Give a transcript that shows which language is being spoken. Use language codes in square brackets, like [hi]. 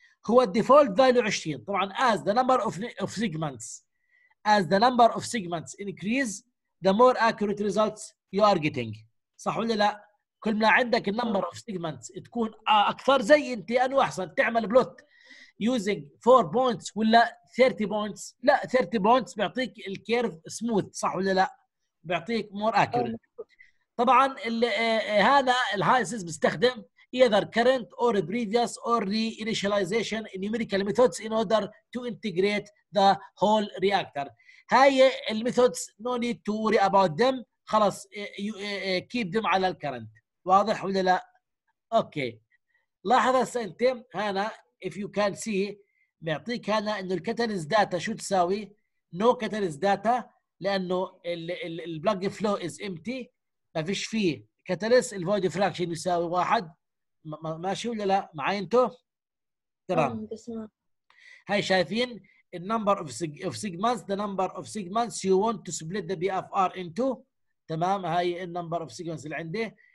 [ar] هو الديفولت فاليو 20. طبعا [en] as the number of segments as the number of segments increase the more accurate results you are getting، [ar] صح ولا لا؟ كل ما عندك النمبر اوف سيجمنتس تكون اكثر زي انت انو احسن، تعمل بلوت يوزنج 4 بوينتس ولا 30 بوينتس؟ لا 30 بوينتس بيعطيك الكيرف سموث، صح ولا لا؟ بيعطيك مور اكيوريت. طبعا هذا الهايسز بيستخدم [en] either current or previous or re-initialization numerical methods in order to integrate the whole reactor. [ar] هاي الميثودز [en] no need to worry about them. [ar] خلاص [en] keep them [ar] على الكرنت. واضح ولا لا؟ اوكي. لاحظ هسه انت هنا [en] if you can see [ar] معطيك هنا انه الكاتاليز داتا شو تساوي نو كاتاليز داتا لانه البلاك فلو از امتي ما فيش فيه كاتاليز الفويد فراكشن يساوي واحد ماشي ولا لا معي انتو تمام هاي شايفين النمبر اوف سيجمنتس [en] the number of segments you want to split the P F R [ar] انتو تمام هاي النمبر اوف سيجمنتس اللي عندي